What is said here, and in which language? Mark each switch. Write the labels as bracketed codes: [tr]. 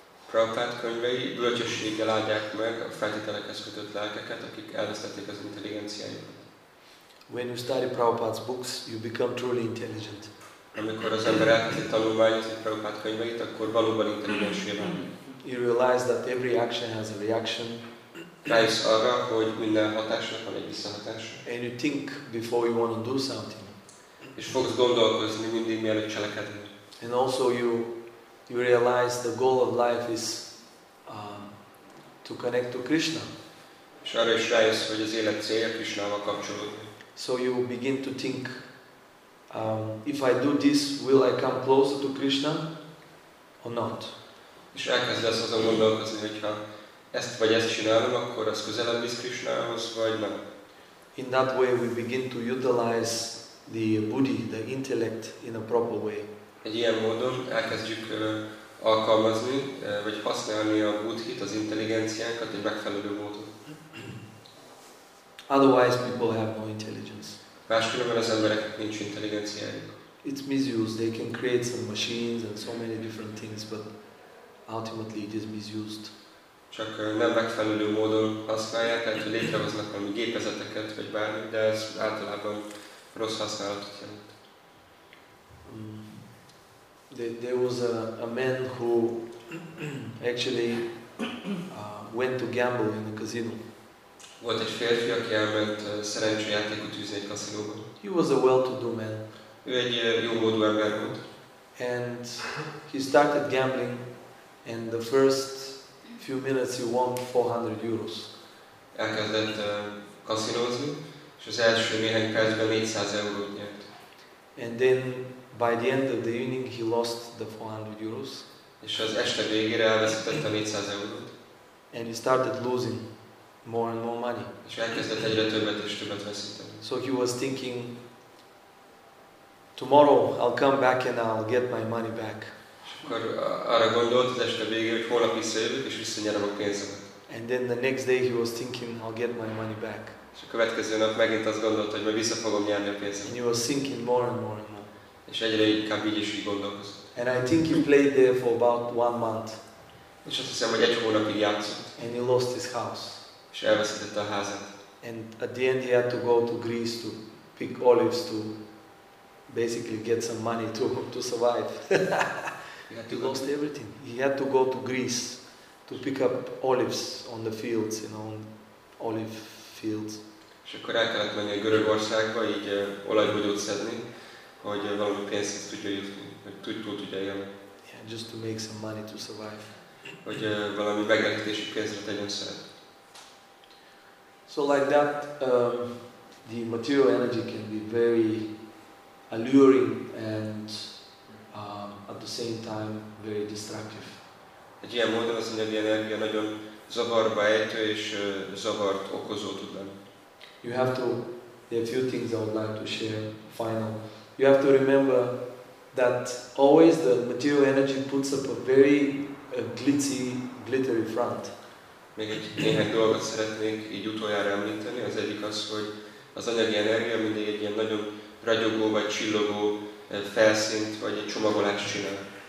[hu] Prabhupada könyvei bölcsességgel áldják meg a feltételekhez kötött lelkeket, akik elvesztették az intelligenciájukat. [en] When you study Prabhupada's books, you become truly intelligent. [hu] Amikor az ember elkezdi tanulmányozni Prabhupada könyveit, akkor valóban intelligenssé válik. [en] You realize that every action has a reaction. [hu] Rájössz arra, hogy minden hatásnak van egy visszahatás. [en] And you think before you want to do something. [hu] És fogsz gondolkozni mindig, mielőtt cselekedni. [en] And also you realize the goal of life is to connect to Krishna. [hu] És arra is rájössz, hogy az élet célja Krishnával kapcsolódni. [en] So you begin to think, if I do this, will I come closer to Krishna or not? [hu] És elkezdesz azon gondolkozni, hogyha ezt vagy ezt csinálom, akkor az közelebb visz Krishnához, vagy nem. [en] In that way we begin to utilize the buddhi, the intellect in a proper way. [hu] Egy ilyen módon elkezdjük alkalmazni, vagy használni a buddhit, az intelligenciánkat egy megfelelő módon. [en] Otherwise people have no intelligence. [hu] Máskülönben az emberek nincs intelligenciájuk. [en] It's misused. They can create some machines and so many different things, but ultimately it is misused. [hu] Csak nem megfelelő módon használják, tehát hogy létrehoznak valami gépezeteket, vagy bármi, de ez általában rossz használatot jelent. [en] There was a man who actually went to gamble in a casino. [hu] Volt egy férfi, aki elment szerencsejátékot űzni egy kaszinóba. [en] He was a well-to-do man. [hu] Ő egy jómódú ember volt. [en] And he started gambling, and the first few minutes he won 400 euros. [hu] Elkezdett kaszinózni, és az első néhány percben 400 eurót nyert. [en] And then by the end of the evening he lost the 400 euros. [hu] És az este végére elveszített a 400 eurót. [en] And he started losing more and more money. [hu] És elkezdett egyre többet és többet veszíteni. [en] So he was thinking, tomorrow I'll come back and I'll get my money back. [hu] És akkor arra gondolt az este végén, hogy holnap visszajövök és visszanyerem a pénzemet. [en] And then the next day he was thinking, I'll get my money back. [hu] És a következő nap megint azt gondolta, hogy majd vissza fogom nyerni a pénzemet. [en] And he was thinking more and more and more. [hu] És egyre inkább így is így gondolkozott. [en] And I think he played there for about one month. [hu] És azt hiszem, hogy egy hónapig játszott. [en] And he lost his house. [hu] És elveszített a házat. [en] And at the end he had to go to Greece to pick olives to basically get some money to survive. He lost everything. He had to go to Greece to pick up olives on the fields, you know, olive fields. [hu] És akkor el kellett menni a Görögországba, így olajbogyót szedni, hogy valami pénzt tudja jutni, hogy tudja élni. [en] Yeah, just to make some money to survive. [hu] Hogy valami megélhetési pénzre tegyen szert. [en] So like that, the material energy can be very alluring and at the same time very destructive. [hu] Egy ilyen módon az anyagi energia nagyon zavarba ejtő és zavart okozó tud lenni. [en] You have to, there are a few things I would like to share, final. You have to remember that always the material energy puts up a very glittery front. [hu] Még egy néhány dolgot szeretnék így utoljára említeni. Az egyik az, hogy az anyagi energia mindig egy ilyen nagyon ragyogó vagy csillogó felszínt vagy egy csomagolást csinál.